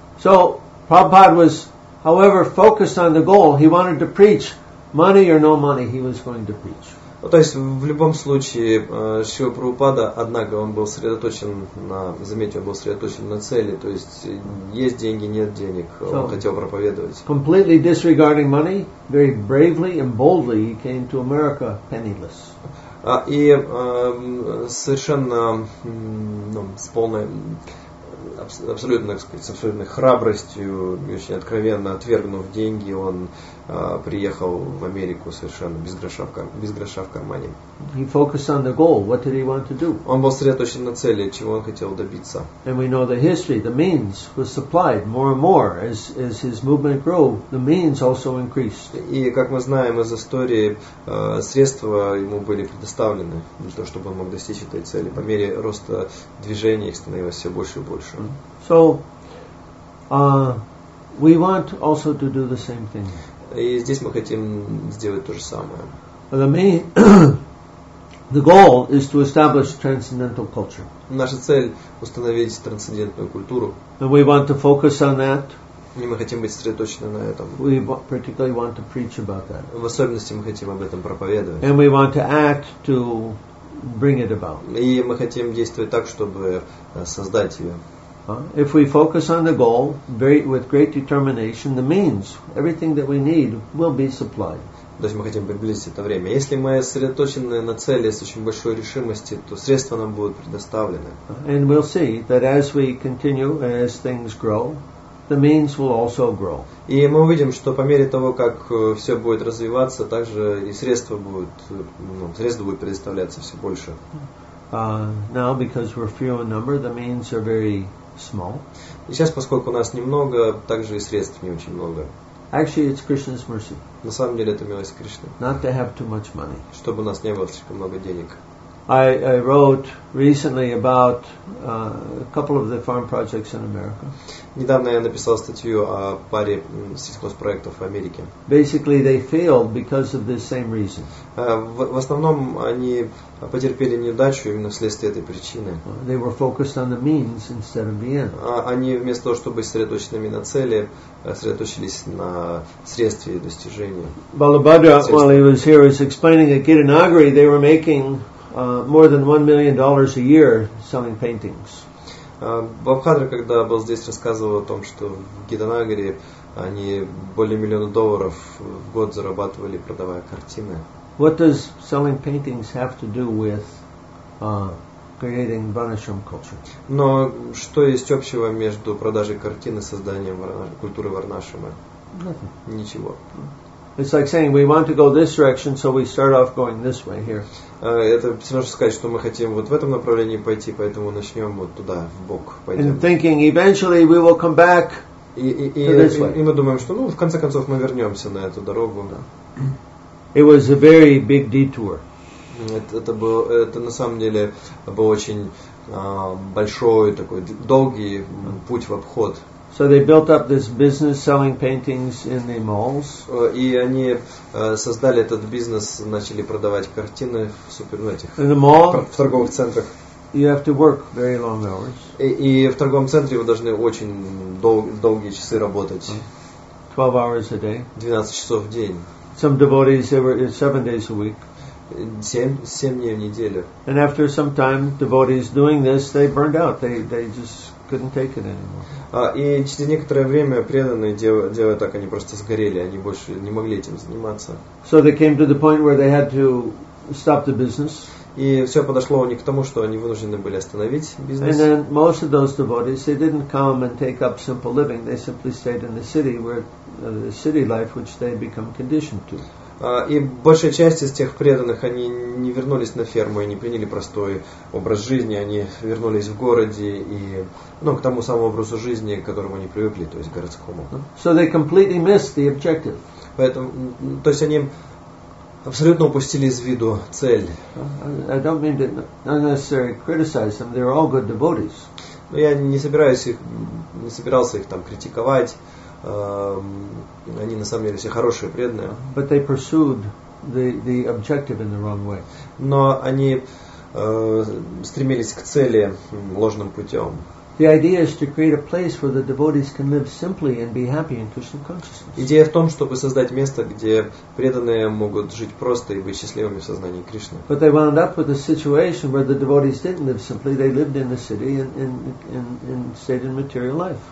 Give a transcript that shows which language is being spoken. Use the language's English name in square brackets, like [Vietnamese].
[English] So Prabhupada was, however, focused on the goal. He wanted to preach. Money or no money, he was going to preach. [Russian] То есть в любом случае Шрила Прабхупада, однако он был сосредоточен на, заметьте, он был сосредоточен на цели, то есть есть деньги, нет денег, он хотел проповедовать. [English] Completely disregarding money, very bravely and boldly he came to America penniless. [Russian] И совершенно с полной абсолютно, так сказать, с абсолютной храбростью, очень откровенно отвергнув деньги, он приехал в Америку совершенно без гроша в кармане. [English] He focused on the goal. What did he want to do? [Russian] Он был сосредоточен на цели, чего он хотел добиться. [English] And we know the history. The means was supplied more and more as his movement grew. The means also increased. [Russian] И как мы знаем из истории, средства ему были предоставлены для того, чтобы он мог достичь этой цели. По мере роста движения их становилось все больше и больше. [English] So, we want also to do the same thing. [Russian] И здесь мы хотим сделать то же самое. [English] The goal is to establish transcendental culture. [Russian] Наша цель установить трансцендентную культуру. [English] And we want to focus on that. [Russian] И мы хотим быть сосредоточены на этом. [English] We particularly want to preach about that. [Russian] В особенности мы хотим об этом проповедовать. [English] And we want to act to bring it about. [Russian] И мы хотим действовать так, чтобы создать ее. [English] If we focus on the goal with great determination, the means, everything that we need, will be supplied. [Russian] То есть мы хотим приблизить это время. Если мы сосредоточены на цели с очень большой решимостью, то средства нам будут предоставлены. [English] And we'll see that as we continue, as things grow, the means will also grow. [Russian] И мы увидим, что по мере того, как все будет развиваться, также и средства будут предоставляться все больше. [English] Now, because we're few in number, the means are very small. [Russian] И сейчас, поскольку у нас немного, также и средств не очень много. [English] Actually, it's Krishna's mercy. [Russian] На самом деле, это милость Кришны. [English] Not to have too much money. [Russian] Чтобы у нас не было слишком много денег. [English] I wrote recently about a couple of the farm projects in America. [Russian] Недавно я написал статью о паре сельхозпроектов в Америке. [English] Basically, they failed because of this same reason. [Russian] В основном они потерпели неудачу именно вследствие этой причины. [English] They were focused on the means instead of the end. [Russian] Они вместо того, чтобы сосредоточены на цели, сосредоточились на средстве и достижении. [English] Balabhadra, while he was here, was explaining that Kiranagari, they were making more than $1 million a year selling paintings. [Russian] Бабхадра, когда был здесь, рассказывал о том, что в Гиданагаре они более миллиона долларов в год зарабатывали, продавая картины. [English] What does selling paintings have to do with creating Varnashram culture? [Russian] Но что есть общего между продажей картины и созданием культуры Варнашрама? [English] Nothing. [Russian] Ничего. [English] It's like saying we want to go this direction, so we start off going this way here. [Russian] Это сложно сказать, что мы хотим вот в этом направлении пойти, поэтому начнем вот туда, в бок. [English] And thinking eventually we will come back. [Russian] И мы думаем, что в конце концов мы вернемся на эту дорогу. [English] It was a very big detour. [Russian] Это на самом деле был очень большой такой долгий путь в обход. [English] So they built up this business selling paintings in the malls. [Russian] И они создали этот бизнес, начали продавать картины в супермаркетах. [English] In the mall? [Russian] В торговых центрах. [English] You have to work very long hours. [Russian] И в торговом центре вы должны очень долгие часы работать. [English] 12 hours a day. [Russian] 12 часов в день. [English] Some devotees, they were 7 days a week. [Russian] 7 дней в неделю. [English] And after some time, devotees doing this, they burned out. They just couldn't take it anymore. [Russian] И через некоторое время преданные делая так, они просто сгорели, они больше не могли этим заниматься. [English] So they came to the point where they had to stop the business. [Russian] И все подошло у них к тому, что они вынуждены были остановить бизнес. [English] And then most of those devotees, they didn't come and take up simple living. They simply stayed in the city where the city life, which they had become conditioned to. [Russian] И большая часть из тех преданных, они не вернулись на ферму и не приняли простой образ жизни. Они вернулись в городе и, ну, к тому самому образу жизни, к которому они привыкли, то есть к городскому. [English] So they completely missed the objective. [Russian] Поэтому, то есть они абсолютно упустили из виду цель. [English] I don't mean to unnecessarily criticize them. They're all good devotees. [Russian] Но я не собирался их там критиковать. Они на самом деле все хорошие, преданные. [English] But they pursued the objective in the wrong way. [Russian] Но они стремились к цели ложным путем. [English] The idea is to create a place where the devotees can live simply and be happy in Krishna consciousness. [Russian] Идея в том, чтобы создать место, где преданные могут жить просто и быть счастливыми в сознании Кришны. [English] But they wound up with a situation where the devotees didn't live simply; they lived in the city and stayed in material life.